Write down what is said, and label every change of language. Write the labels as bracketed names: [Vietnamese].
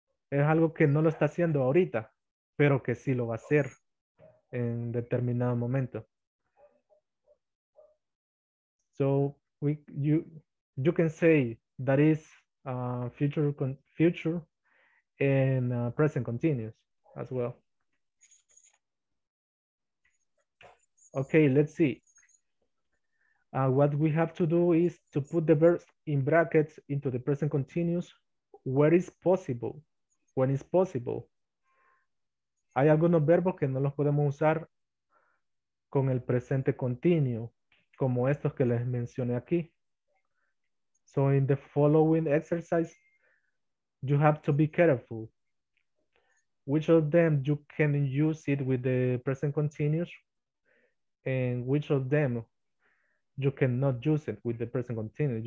[Spanish] Es algo que no lo está haciendo ahorita, pero que sí lo va a hacer en determinado momento. [English] So you can say that is future and present continuous as well. Okay, let's see. What we have to do is to put the verbs in brackets into the present continuous where is possible, when is possible. [Spanish] Hay algunos verbos que no los podemos usar con el presente continuo, como estos que les mencioné aquí. [English] So in the following exercise, you have to be careful. Which of them you can use it with the present continuous? And which of them you cannot use it with the present continuous?